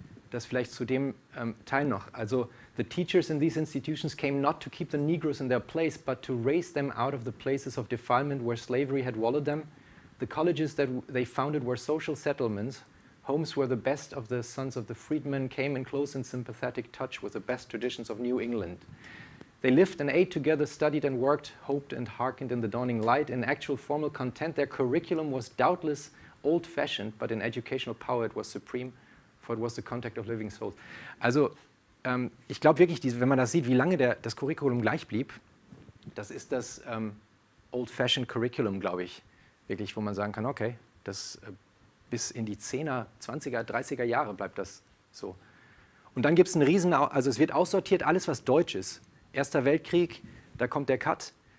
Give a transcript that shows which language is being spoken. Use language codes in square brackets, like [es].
[de] Das vielleicht zu dem Teil noch. [en] Also, the teachers in these institutions came not to keep the Negroes in their place, but to raise them out of the places of defilement where slavery had wallowed them. The colleges that they founded were social settlements, homes where the best of the sons of the freedmen came in close and sympathetic touch with the best traditions of New England. They lived and ate together, studied and worked, hoped and hearkened in the dawning light. In actual formal content, their curriculum was doubtless old-fashioned, but in educational power it was supreme, for it was the contact of living souls. [de] Also ich glaube wirklich, wenn man das sieht, wie lange das Curriculum gleich blieb, das ist das old-fashioned Curriculum, glaube ich, wirklich, wo man sagen kann, okay, das bis in die 10er, 20er, 30er Jahre bleibt das so. Und dann gibt es einen riesen, also es wird aussortiert, alles was deutsch ist. Erster Weltkrieg, da kommt der Cut.